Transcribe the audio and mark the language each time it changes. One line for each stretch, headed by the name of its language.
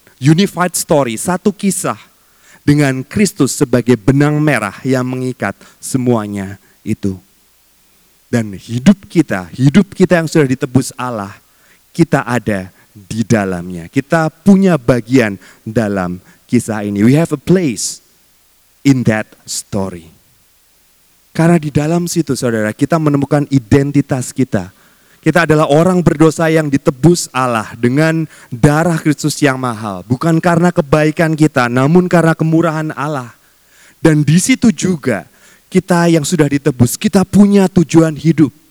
English: Unified story,
Indonesian: satu kisah dengan Kristus sebagai benang merah yang mengikat semuanya itu. Dan hidup kita yang sudah ditebus Allah, kita ada di dalamnya. Kita punya bagian dalam kisah ini.
English: We have a place in that story.
Indonesian: Karena di dalam situ, saudara, kita menemukan identitas kita. Kita adalah orang berdosa yang ditebus Allah dengan darah Kristus yang mahal. Bukan karena kebaikan kita, namun karena kemurahan Allah. Dan di situ juga, kita yang sudah ditebus, kita punya tujuan hidup.